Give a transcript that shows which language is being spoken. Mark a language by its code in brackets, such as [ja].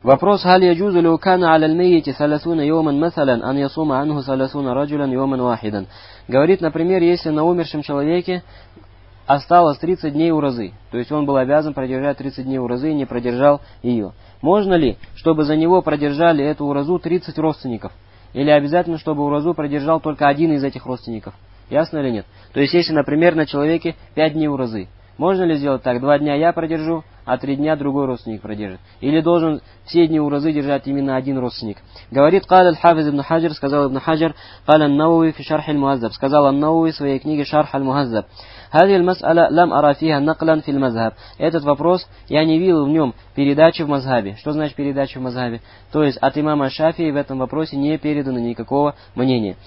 [ar] وفروس هل يجوز لو كان على الميت 30 يوما مثلا أن يصوم عنه 30 رجلا يوما واحدا. [ru] Говорит, например, если на умершем человеке осталось 30 дней уразы, то есть он был обязан продержать 30 дней уразы и не продержал ее. Можно ли, чтобы за него продержали эту уразу 30 родственников? Или обязательно, чтобы уразу продержал только один из этих родственников? Ясно или нет? То есть, если, например, на человеке 5 дней уразы, можно ли сделать так? 2 дня я продержу, а 3 дня другой родственник продержит. Или должен все дни уразы держать именно один родственник? Говорит, [ar] قال الحافظ ابن حجر, [ru] сказал [ar] ابن حجر, قال النووي في شرح المهذب, сказал النووي [ru] в своей книге [ar] شرح المهذب. هذه المسألة لم أرى فيها نقلا في المذهب. [ru] Этот вопрос я не видел в нем передачи в мазхабе. Что значит передача в мазхабе? То есть от имама Шафии в этом вопросе не передано никакого мнения.